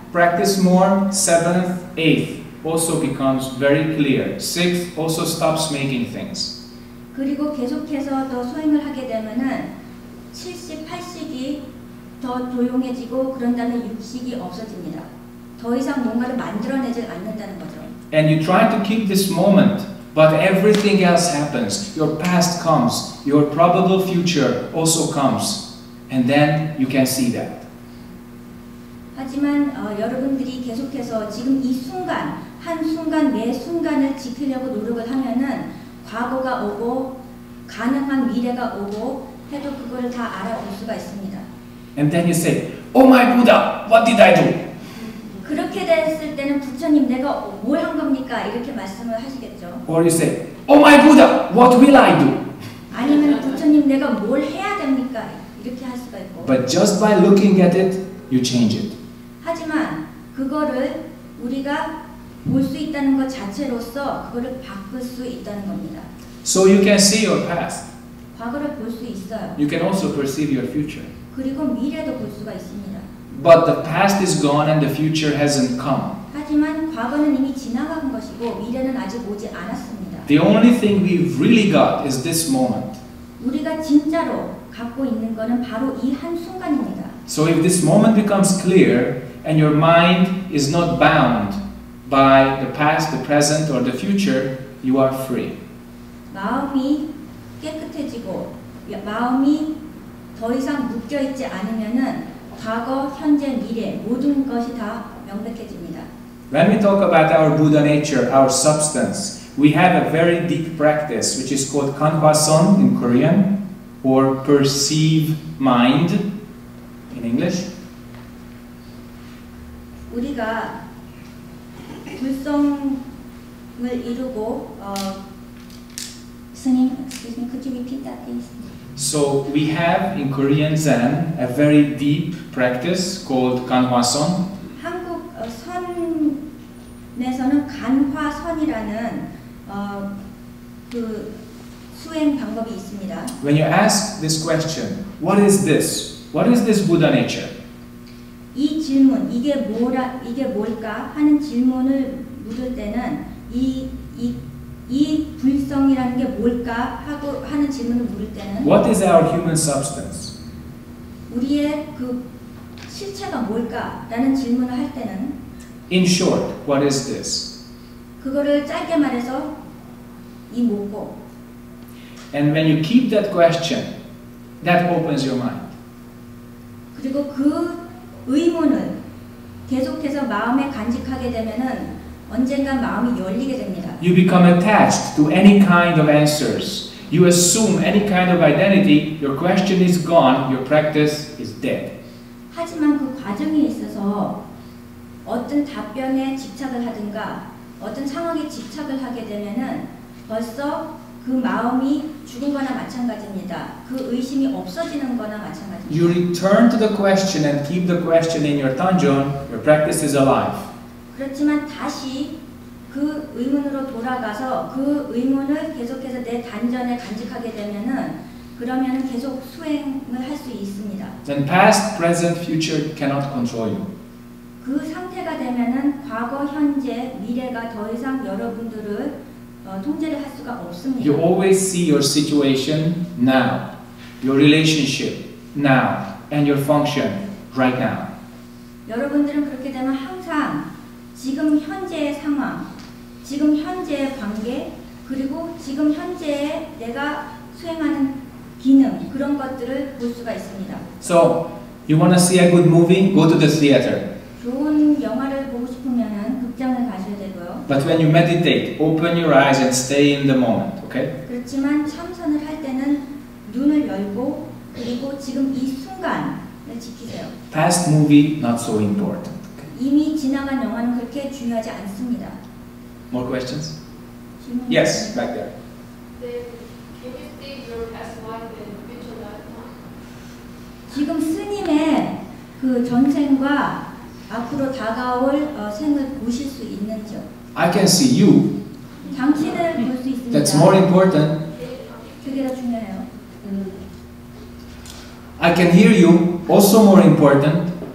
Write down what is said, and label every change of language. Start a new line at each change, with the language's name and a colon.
English: Practice more, 7th, 8th also becomes very clear. 6th also stops making things.
Korean: 그리고 계속해서 더 수행을 하게 되면은 70, 80이 더 조용해지고 그런 다음에 60이 없어집니다. 더 이상 뭔가를 만들어내지 않는다는 거죠.
English: And you try to keep this moment, but everything else happens. Your past comes, your probable future also comes. And then you can see that.
Korean: 하지만 여러분들이 계속해서 지금 이 순간 한 순간 매 순간을 지키려고 노력을 하면은 과거가 오고 가능한 미래가 오고 해도 그걸 다 알아볼 수가 있습니다.
English: And then you say, "Oh my Buddha, what did I do?"
Korean: 그렇게 됐을 때는 부처님 내가 뭘 한 겁니까? 이렇게 말씀을 하시겠죠.
English: Or you say, "Oh my Buddha, what will I do?"
Korean: 아니면 부처님 내가 뭘 해야 됩니까? 이렇게 할 수가 있고.
English: But just by looking at it, you change it.
Korean: 하지만 그거를 우리가 볼 수 있다는 것 자체로서 그거를 바꿀 수 있다는 겁니다.
English: So you can see your past.
Korean: 과거를 볼 수 있어요.
English: You can also perceive your future.
Korean: 그리고 미래도 볼 수가 있습니다.
English: But the past is gone and the future hasn't come.
Korean: 하지만 과거는 이미 지나간 것이고 미래는 아직 오지 않았습니다.
English: The only thing we've really got is this moment.
Korean: 우리가 진짜로 갖고 있는 것은 바로 이 한 순간입니다.
English: So if this moment becomes clear, and your mind is not bound by the past, the present, or the future, you are free.
Korean: 마음이 깨끗해지고 마음이 더 이상 묶여 있지 않으면은 과거, 현재, 미래 모든 것이 다 명백해집니다.
English: When we talk about our Buddha nature, our substance, we have a very deep practice which is called Kanpasan in Korean or perceive mind in English.
Korean: 우리가 불성을 이루고 스님,
English: excuse me, could you repeat that, please? So we have in Korean Zen a very deep practice called 간화선.
Korean: 한국 선에서는 간화선이라는 그 수행 방법이 있습니다.
English: When you ask this question, what is this? What is this Buddha nature?
Korean: 이 질문, 이게 뭐라, 이게 뭘까 하는 질문을 묻을 때는 이 불성이라는 게 뭘까 하고 하는 질문을 물을 때는
English: What is our human substance?
Korean: 우리의 그 실체가 뭘까 라는 질문을 할 때는
English: In short, what is this?
Korean: 그거를 짧게 말해서 이 뭐고
English: And when you keep that question, that opens your mind.
Korean: 그리고 그 의문을 계속해서 마음에 간직하게 되면은 언젠가 마음이 열리게 됩니다.
English: You become attached to any kind of answers. You assume any kind of identity. Your question is gone. Your practice is dead.
Korean: 하지만 그 과정에 있어서 어떤 답변에 집착을 하든가 어떤 상황에 집착을 하게 되면은 벌써 그 마음이 죽은 거나 마찬가지입니다. 그 의심이 없어지는 거나 마찬가지입니다.
English: You return to the question and keep the question in your dungeon. Your practice is alive.
Korean: 그렇지만 다시 그 의문으로 돌아가서 그 의문을 계속해서 내 단전에 간직하게 되면은 그러면은 계속 수행을 할 수 있습니다.
English: Then past, present, future cannot control you.
Korean: 그 상태가 되면은 과거, 현재, 미래가 더 이상 여러분들을 통제를 할 수가 없습니다.
English: You always see your situation now, your relationship now, and your function right now.
Korean: 여러분들은 그렇게 되면 항상 지금 현재의 상황, 지금 현재의 관계, 그리고 지금 현재의 내가 수행하는 기능 그런 것들을 볼 수가 있습니다.
English: So, you want to see a good movie? Go to the theater.
Korean: 좋은 영화를 보고 싶으면은 극장을 가셔야 되고요.
English: But when you meditate, open your eyes and stay in the moment, okay?
Korean: 그렇지만 참선을 할 때는 눈을 열고 그리고 지금 이 순간을 지키세요.
English: Past movie not so important.
Korean: 이미 지나간 영화는 그렇게 중요하지 않습니다.
English: More questions?
Korean: 질문이
English: yes, back there. Then, can you see your past life and future life?
Korean: 지금 스님의 그 전생과 앞으로 다가올 생을 보실 수 있는지요?
English: I can see you.
Korean: 당신을 볼 수 있습니다.
English: That's more important.
Korean: 그게 더 중요해요.
English: I can hear you. Also more important.